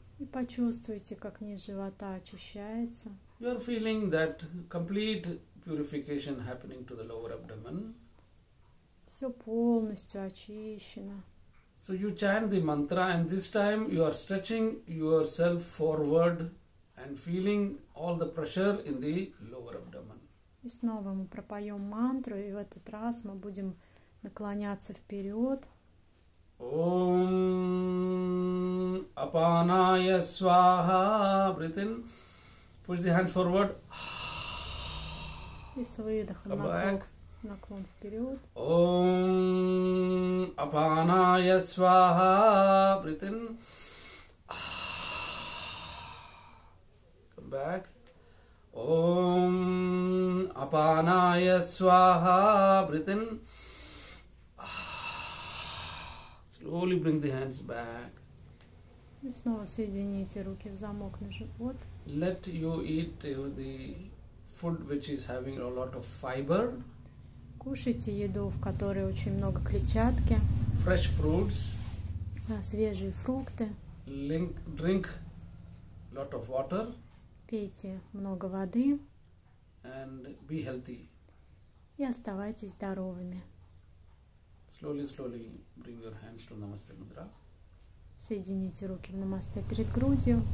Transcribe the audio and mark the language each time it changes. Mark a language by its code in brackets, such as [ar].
[ru] И почувствуйте, как низ живота очищается. [en] You are feeling that complete purification happening to the lower abdomen. [ru] Все полностью очищено. [en] So you chant the mantra and this time you are stretching yourself forward and feeling all the pressure in the lower abdomen. [ru] И снова мы пропоем мантру, и в этот раз мы будем наклоняться вперед. [sa] Om Apanaya Swaha. [en] Breathe in. Push the hands forward. [ru] И с выдохом наклон, наклон вперед. [sa] Om Apanaya Swaha. [en] Breathe in. Come back. [sa] Om Apanaya Swaha. [en] Breathe in. Slowly bring the hands back. [ru] И снова соедините руки в замок на живот. [en] Let you eat the food which is having a lot of fiber. [ru] Кушайте еду, в которой очень много клетчатки. [en] Fresh fruits. [ru] Свежие фрукты. [en] Drink lot of water. [ru] Пейте много воды. [en] And be healthy. [ru] И оставайтесь здоровыми. [en] Slowly, slowly bring your hands to Namaste Mudra. [ru] Соедините руки в намасте перед грудью.